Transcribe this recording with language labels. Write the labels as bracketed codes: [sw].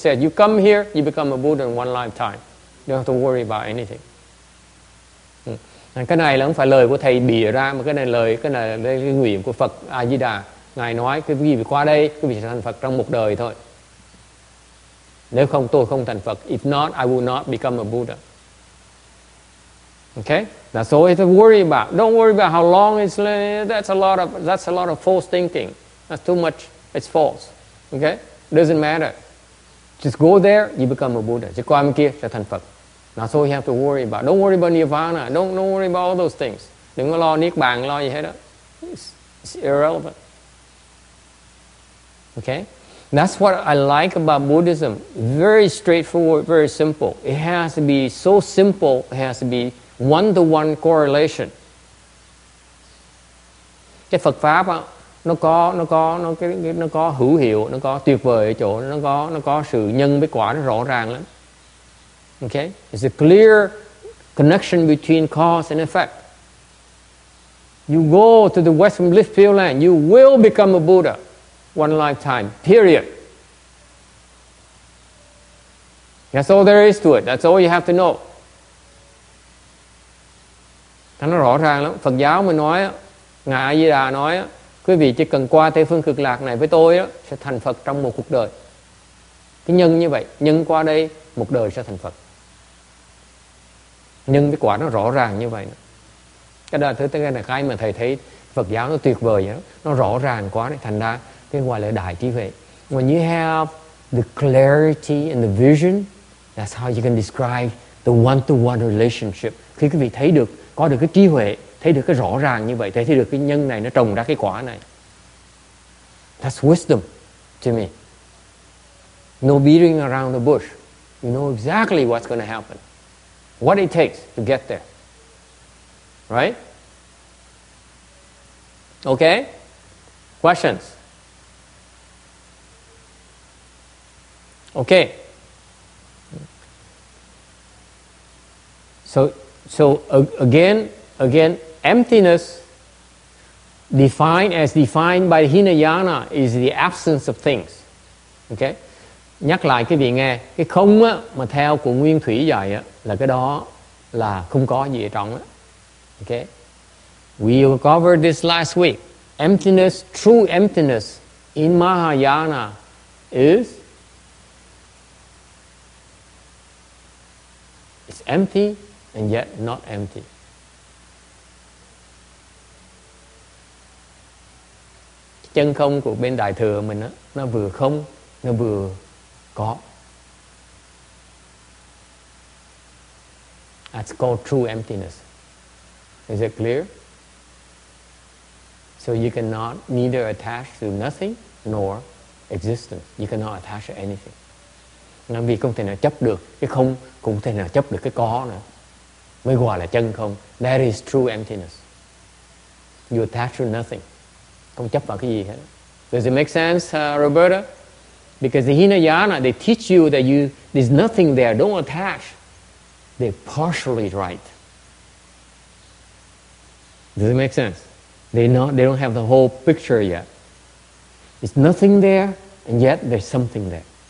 [en] Said, you come here, you become a Buddha in one lifetime. You don't have to worry about anything. [vi] Cái này là không phải lời của thầy bịa ra, mà cái này là lời, cái nguyện của Phật A Di Đà. Ngài nói, cái gì qua đây, cái gì thành Phật trong một đời thôi. Nếu không, tôi không thành Phật. [en] If not, I will not become a Buddha. Okay? That's all you have to worry about. Don't worry about how long it's living. That's a lot of false thinking. That's too much. It's false. Okay? It doesn't matter. Just go there, you become a Buddha. [vi] Chỉ qua bên kia, trở thành Phật. [en] That's all you have to worry about. Don't worry about Nirvana. Don't worry about all those things. [vi] Đừng có lo Niết Bàn, lo gì hết. It's irrelevant. [en] Okay? That's what I like about Buddhism. Very straightforward, very simple. It has to be so simple, it has to be one-to-one correlation. [vi] Cái Phật Pháp á, nó có hữu hiệu, nó có tuyệt vời ở chỗ, nó có sự nhân với quả nó rõ ràng lắm. [en] Okay? It's a clear connection between cause and effect. You go to the Western Blissfield Land, you will become a Buddha. One lifetime, period. That's all there is to it. That's all you have to know. [vi] Thế nó rõ ràng lắm. Phật giáo mà nói, Ngài A Di Đà nói, quý vị chỉ cần qua Tây Phương Cực Lạc này với tôi, sẽ thành Phật trong một cuộc đời. Cái nhân như vậy, nhân qua đây, một đời sẽ thành Phật. Nhân với quả nó rõ ràng như vậy. Cái đó là cái mà thầy thấy Phật giáo nó tuyệt vời, nó rõ ràng quá, thành ra cái gọi là đại trí huệ. [en] When you have the clarity and the vision, that's how you can describe the one-to-one relationship. [vi] Khi quý vị thấy được, có được cái trí huệ, thấy được cái rõ ràng như vậy, thấy được cái nhân này nó trồng ra cái quả này. [en] That's wisdom to me. No beating around the bush. You know exactly what's going to happen. What it takes to get there. Right? Okay? Questions? Okay. So again, emptiness defined by Hinayana is the absence of things. Okay? [vi] Nhắc lại quý vị nghe, cái không á, mà theo của Nguyên Thủy dạy á, là cái đó là không có gì ở trong á. [en] Okay? We covered this last week. Emptiness, true emptiness in Mahayana is empty and yet not empty. [vi] Chân không của bên Đại Thừa mình á, nó vừa không, nó vừa có. [en] That's called true emptiness. Is it clear? So you cannot neither attach to nothing nor existence. You cannot attach to anything. [vi] Nên vì không thể nào chấp được cái không, cũng không thể nào chấp được cái có nữa, mới gọi là chân không. [en] That is true emptiness. You attach to nothing. Không chấp vào cái gì hết. Does it make sense, Roberta? Because the Hinayana, they teach you that you, there's nothing there, don't attach. They're partially right. Does it make sense? They don't have the whole picture yet. There's nothing there, and yet there's something there.